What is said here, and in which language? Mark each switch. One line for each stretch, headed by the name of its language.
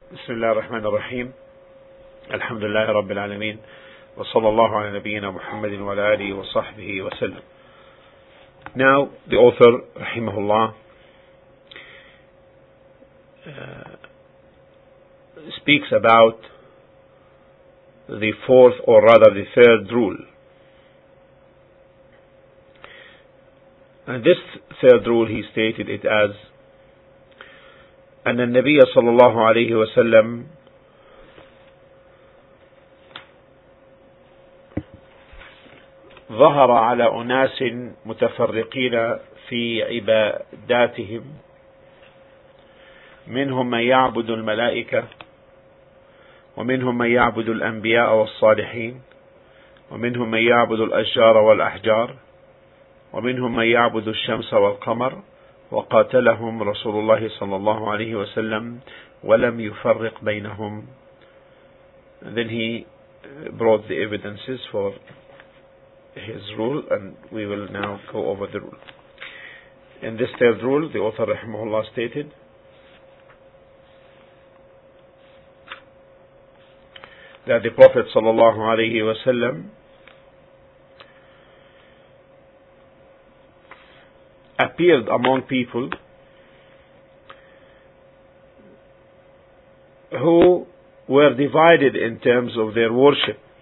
Arabic: بسم الله الرحمن الرحيم الحمد لله رب العالمين وصلى الله على نبينا محمد وعلى آله وصحبه وسلم.
English: Now the author رحمه الله speaks about the fourth or rather the third rule. And this third rule he stated it as
Arabic: أن النبي صلى الله عليه وسلم ظهر على أناس متفرقين في عباداتهم منهم من يعبد الملائكة ومنهم من يعبد الأنبياء والصالحين ومنهم من يعبد الأشجار والأحجار ومنهم من يعبد الشمس والقمر وقاتلهم رسول الله صلى الله عليه وسلم ولم يفرق بينهم.
English: And then he brought the evidences for his rule, and we will now go over the rule. In this third rule, the author rahimahullah stated that the Prophet صلى الله عليه وسلم appeared among people who were divided in terms of their worship.